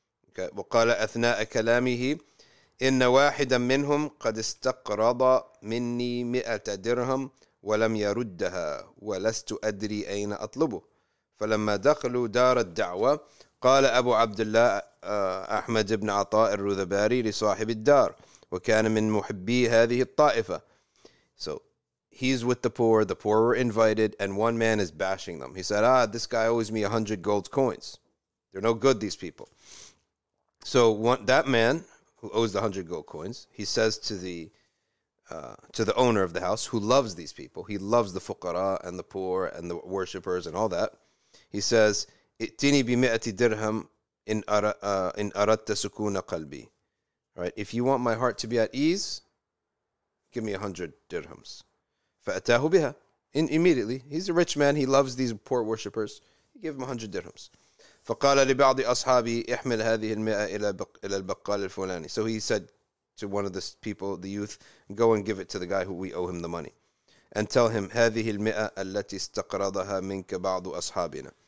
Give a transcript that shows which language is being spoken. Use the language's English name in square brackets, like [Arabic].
[Arabic] okay وقال أثناء كلامه إن واحدا منهم قد استقرض مني 100 dirhams ولم يردها ولست أدري أين أطلبه فلما دخلوا دار الدعوة قال أبو عبد الله أحمد بن عطاء الرذباري لصاحب الدار وكان من محبي هذه الطائفة [English] so He's with the poor were invited, and one man is bashing them. He said, this guy owes me 100 gold coins. They're no good, these people. So that man, who owes the 100 gold coins, he says to the owner of the house, who loves these people, he loves the fuqara and the poor and the worshippers and all that, he says, [Arabic] اتني بمئة درهم إن أردت سكون قلبي. [English] Right? If you want my heart to be at ease, give me 100 dirhams. [Arabic] فأتاه بها [English] immediately. He's a rich man. He loves these poor worshippers. Give him 100 dirhams. [Arabic] فقال لبعض أصحابي احمل هذه المئة إلى البقال الفلاني. [English] So he said to one of the people, the youth, go and give it to the guy who we owe him the money. And tell him, [Arabic] هذه المئة التي استقرضها منك بعض أصحابنا.